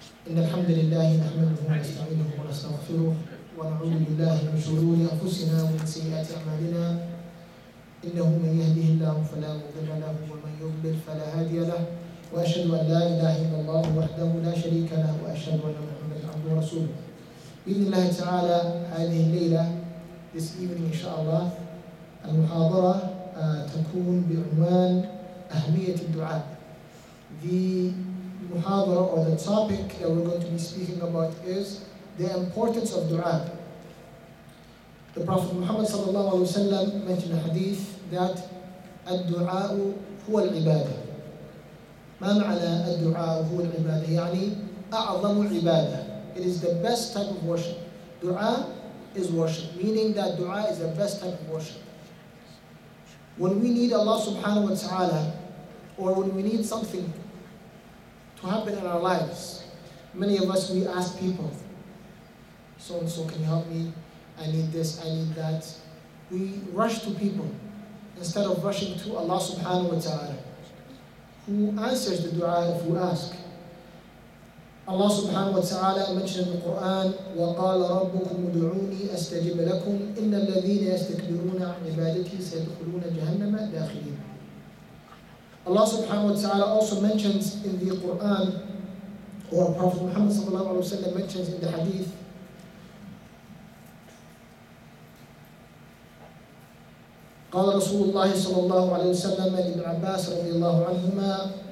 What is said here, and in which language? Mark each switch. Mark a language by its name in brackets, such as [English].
[Arabic] إن الحمد لله نحمده ونستعينه ونستغفره ونعوذ بالله من شرور أنفسنا ومن سيئات أعمالنا، إنه من يهده الله فلا مضل له ومن يضلل فلا هادي له، وأشهد أن لا إله إلا الله وحده لا شريك له وأشهد أن محمدا عبده ورسوله. بإذن الله تعالى هذه الليلة [English] This evening, inshallah, [Arabic] المحاضرة تكون بعنوان أهمية الدعاء. [English] The محاضرة or the topic that we're going to be speaking about is the importance of دعاء. The Prophet Muhammad صلى الله عليه وسلم mentioned a hadith that [Arabic] الدعاء هو العبادة. ما معنى الدعاء هو العبادة؟ يعني أعظم العبادة. [English] It is the best type of worship. دعاء is worship, meaning that dua is the best type of worship. When we need Allah subhanahu wa ta'ala, or when we need something to happen in our lives, many of us, we ask people, so-and-so, can you help me? I need this, I need that. We rush to people instead of rushing to Allah subhanahu wa ta'ala, who answers the dua if we ask. Allah subhanahu wa ta'ala mentioned in the Quran, [Arabic] وَقَالَ رَبُّكُمُ ادْعُونِي أَسْتَجِبْ لَكُمْ إِنَّ الَّذِينَ يَسْتَكْبِرُونَ عَنْ عِبَادَتِي سَيَدْخُلُونَ جَهَنَّمَ دَاخِلِينَ. [English] Allah subhanahu wa ta'ala also mentions in the Quran, or Prophet Muhammad sallallahu alayhi wa sallam mentions in the hadith, [Arabic] قَالَ رَسُولُ اللَّهِ صَلَى اللَّهُ عَلَيْهِ وَسَلَّمَ لِبْنِ عَبَّاسِ رَضِي اللَّهُ عَنْهُمَا.